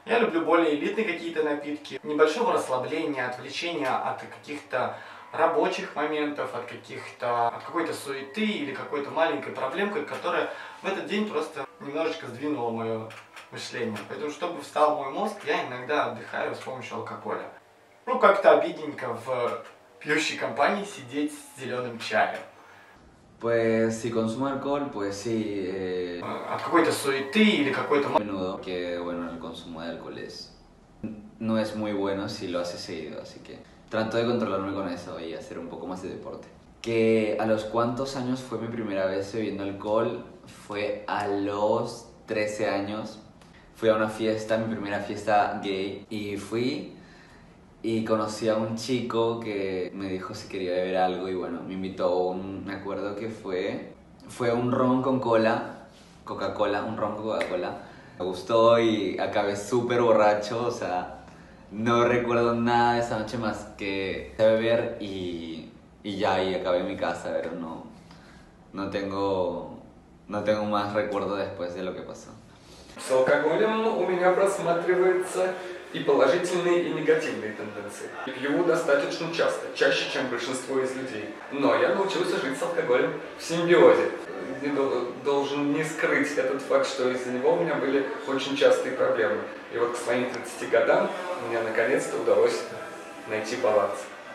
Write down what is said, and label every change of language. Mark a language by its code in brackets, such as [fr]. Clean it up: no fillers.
[ru] Я люблю более элитные какие-то напитки, небольшого расслабления, отвлечения от каких-то рабочих моментов, от каких-то, от какой-то суеты или какой-то маленькой проблемки, которая в этот день просто немножечко сдвинула мое мышление. Поэтому, чтобы встал мой мозг, я иногда отдыхаю с помощью алкоголя. Ну, как-то обидненько в пьющей компании сидеть с зеленым чаем. [es] Pues si consumo alcohol, pues sí. ¿A какой-то суеты или какой-то menudo? Que bueno, el consumo de alcohol es no es muy bueno si lo haces seguido, así que trato de controlarme con eso y hacer un poco más de deporte. Que a los cuántos años fue mi primera vez bebiendo alcohol? Fue a los 13 años. Fui a una fiesta, mi primera fiesta gay, y fui y conocí a un chico que me dijo si quería beber algo y bueno, me invitó un, me acuerdo que fue un ron con cola, Coca-Cola, un ron con Coca-Cola. Me gustó y acabé súper borracho, o sea, no recuerdo nada de esa noche más que beber y ya, y acabé en mi casa, pero no tengo más recuerdo después de lo que pasó. [ru] С алкоголем у меня просматриваются и положительные, и негативные тенденции. И пью достаточно часто, чаще, чем большинство из людей. Но я научился жить с алкоголем в симбиозе. Должен не скрыть этот факт, что из-за него у меня были очень частые проблемы. И вот к своим 30 годам мне наконец-то удалось найти баланс.